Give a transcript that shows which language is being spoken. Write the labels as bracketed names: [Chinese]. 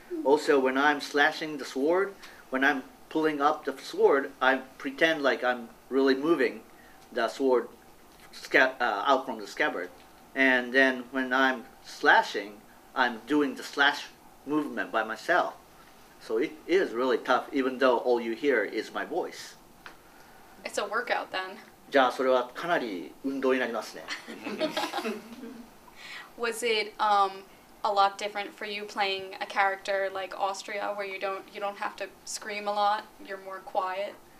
[English] Also, when I'm slashing the sword, when I'm pulling up the sword, I pretend like I'm really moving the sword out from the scabbard. And then when I'm slashing, I'm doing the slash movement by myself. So it is really tough, even though all you hear is my voice. It's a workout then. [Japanese] じゃあそれはかなり運動になりますね。 [English] Was it a lot different for you playing a character like Austria, where you don't have to scream a lot, you're more quiet?